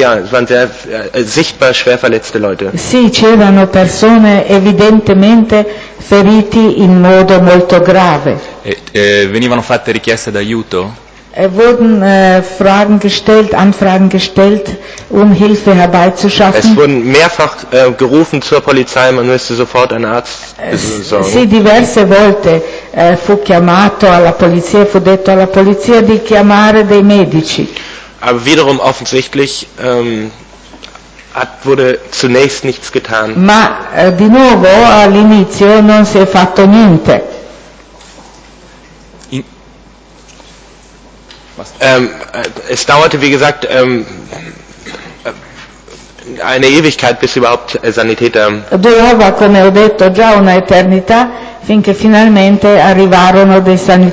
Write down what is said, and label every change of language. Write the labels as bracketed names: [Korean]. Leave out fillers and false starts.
[German] Waren sehr sichtbar schwer verletzte Leute. [Italian] Sì, c'erano persone evidentemente feriti in modo molto grave. Venivano fatte richieste d'aiuto? [German] Wurden Fragen gestellt, Anfragen gestellt, um Hilfe herbeizuschaffen. Es wurden mehrfach gerufen zur Polizei, man müsste sofort einen Arzt besorgen. [Italian] Sì, diverse volte fu chiamato alla polizia, fu detto alla polizia di chiamare dei medici. [German] Aber wiederum offensichtlich wurde zunächst nichts getan. [Italian] Ma di nuovo all'inizio non si è fatto niente. [German] Es dauerte, wie gesagt, eine Ewigkeit, bis überhaupt Sanitäter. [Italian] Durava, come ho detto, già un'eternità finché finalmente arrivarono dei sanitäter.